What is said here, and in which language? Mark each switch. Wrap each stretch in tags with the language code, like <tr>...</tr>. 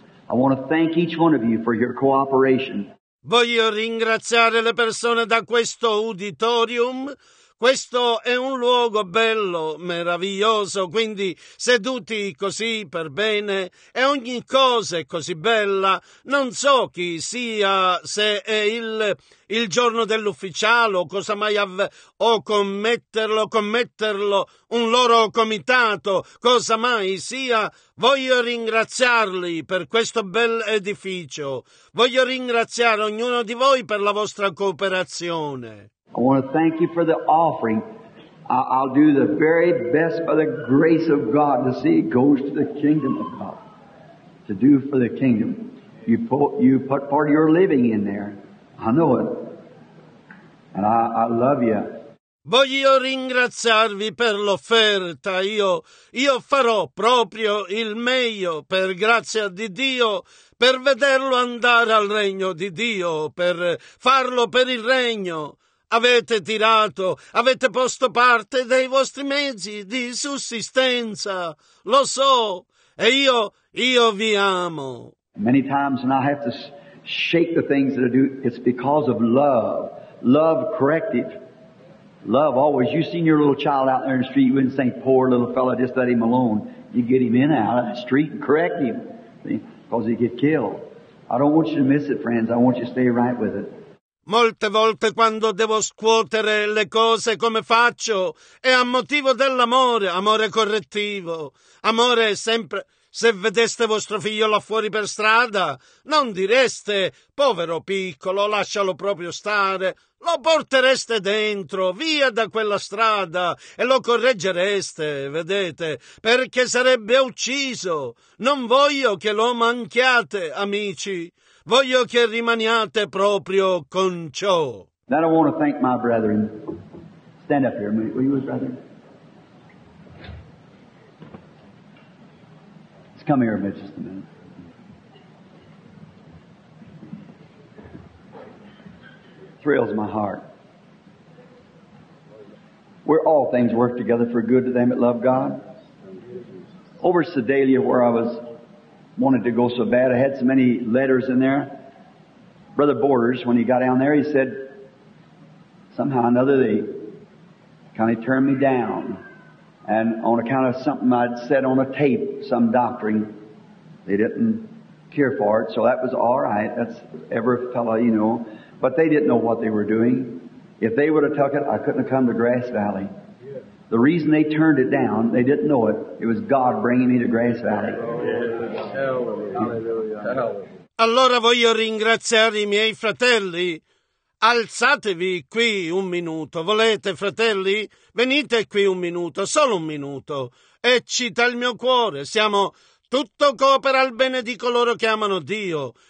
<en>I want to thank each one of you for your cooperation.</en> <it>Voglio ringraziare le persone da questo auditorium. Questo è un luogo bello, meraviglioso, quindi seduti così per bene e ogni cosa è così bella. Non so chi sia, se è il giorno dell'ufficiale o cosa mai o commetterlo un loro comitato, cosa mai sia. Voglio ringraziarli per questo bel edificio. Voglio ringraziare ognuno di voi per la vostra cooperazione.</it> <en>I want to thank you for the offering. I'll do the very best by the grace of God to see it goes to the kingdom of God, to do for the kingdom. You put part of your living in there. I know it. And I love you.</en> <it>Voglio ringraziarvi per l'offerta. Io farò proprio il meglio, per grazia di Dio, per vederlo andare al regno di Dio, per farlo per il regno. Avete tirato, avete posto parte dei vostri mezzi di sussistenza. Lo so, e io vi amo.</it> <en>Many times when I have to shake the things that I do, it's because of love. Love corrective. Love always. You've seen your little child out there in the street, you wouldn't say, poor little fellow, just let him alone. You get him in and out of the street and correct him, because he'd get killed. I don't want you to miss it, friends. I want you to stay right with it.</en> <it>Molte volte quando devo scuotere le cose, come faccio? È a motivo dell'amore, amore correttivo. Amore è sempre... Se vedeste vostro figlio là fuori per strada, non direste, povero piccolo, lascialo proprio stare. Lo portereste dentro, via da quella strada, e lo correggereste, vedete, perché sarebbe ucciso. Non voglio che lo manchiate, amici. Voglio che rimaniate proprio con ciò.</it> <en>Then I want to thank my brethren. Stand up here, will you, brother? Just come here a minute, just a minute. Thrills my heart. We're all things work together for good to them that love God. Over Sedalia, where I was. Wanted to go so bad. I had so many letters in there. Brother Borders, when he got down there, he said, somehow or another, they kind of turned me down. And on account of something I'd said on a tape, some doctrine, they didn't care for it. So that was all right. That's every fellow, you know. But they didn't know what they were doing. If they would have took it, I couldn't have come to Grass Valley. The reason they turned it down, they didn't know it. It was God bringing me to Grass Valley.</en> <it>Allora voglio ringraziare i miei fratelli. Alzatevi qui un minuto. Volete, fratelli? Venite qui un minuto, solo un minuto. Eccita il mio cuore. Siamo tutto coopera al bene di coloro che amano Dio.</it>